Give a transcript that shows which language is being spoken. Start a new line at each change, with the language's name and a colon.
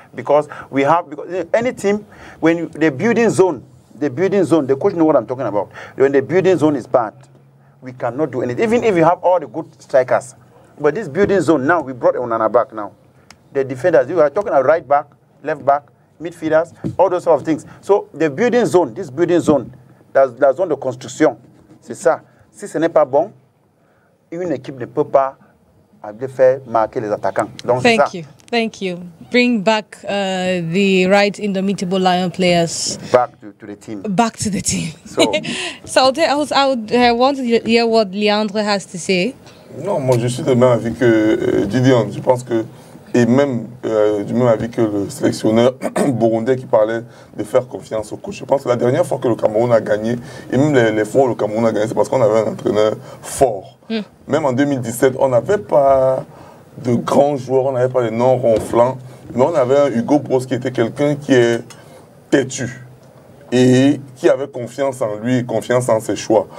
English: Because we have, because any team, when the building zone, the coach knows what I'm talking about. When the building zone is bad, we cannot do anything. Even if you have all the good strikers. But this building zone, now we brought Onana back now. The defenders, you are talking about right back, left back, midfielders, all those sort of things. So the building zone, this building zone,
French: la zone de construction, c'est ça. Si ce n'est pas bon, une équipe ne peut pas faire marquer les attaquants. Donc,
English: thank
French: c'est ça.
English: You. Thank you. Bring back the right indomitable Lion players. Back to the team. Back to the team. So, I want to hear what Leandre has to say.
French: Non, moi je suis de même avis que Didier. Je pense que, et même du même avis que le sélectionneur burundais qui parlait de faire confiance au coach. Je pense que la dernière fois que le Cameroun a gagné, et même les fois où le Cameroun a gagné, c'est parce qu'on avait un entraîneur fort. Même en 2017, on n'avait pas de grands joueurs, on n'avait pas de noms ronflants, mais on avait un Hugo Bros qui était quelqu'un qui est têtu et qui avait confiance en lui, confiance en ses choix.